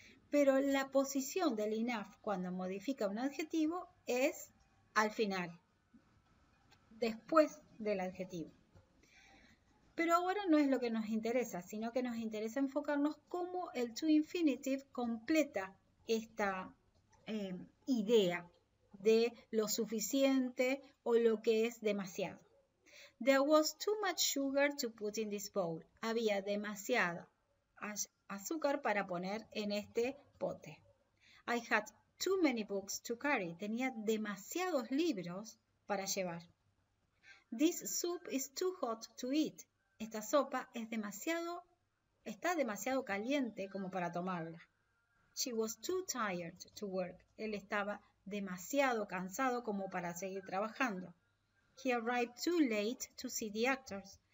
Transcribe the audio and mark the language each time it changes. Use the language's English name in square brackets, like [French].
[Spanish] Pero la posición del enough cuando modifica un adjetivo es al final, después del adjetivo. Pero ahora no es lo que nos interesa, sino que nos interesa enfocarnos cómo el to infinitive completa esta idea de lo suficiente o lo que es demasiado. [English] There was too much sugar to put in this bowl. [Spanish] Había demasiado azúcar para poner en este pote. [English] I had too many books to carry. [Spanish] Tenía demasiados libros para llevar. [English] This soup is too hot to eat. [Spanish] Esta sopa es está demasiado caliente como para tomarla. [English] She was too tired to work. [Spanish] Él estaba demasiado cansado como para seguir trabajando. [English] He arrived too late to see the actors.